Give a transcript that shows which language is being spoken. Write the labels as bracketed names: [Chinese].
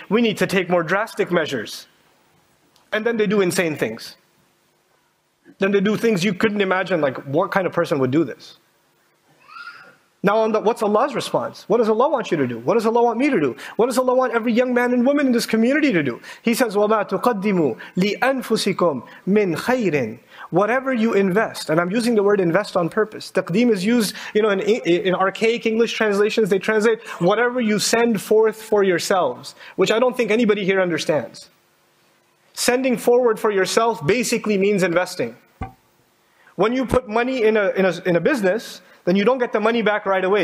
[English] We need to take more drastic measures. And then they do insane things. Then they do things you couldn't imagine, like what kind of person would do this? Now, what's Allah's response? What does Allah want you to do? What does Allah want me to do? What does Allah want every young man and woman in this community to do? He says, [Arabic] وَمَا تُقَدِّمُوا لِأَنفُسِكُمْ مِنْ خَيْرٍ. [English] Whatever you invest, and I'm using the word invest on purpose. Taqdeem is used, in archaic English translations, they translate, whatever you send forth for yourselves, which I don't think anybody here understands. Sending forward for yourself basically means investing. When you put money in a business, then you don't get the money back right away.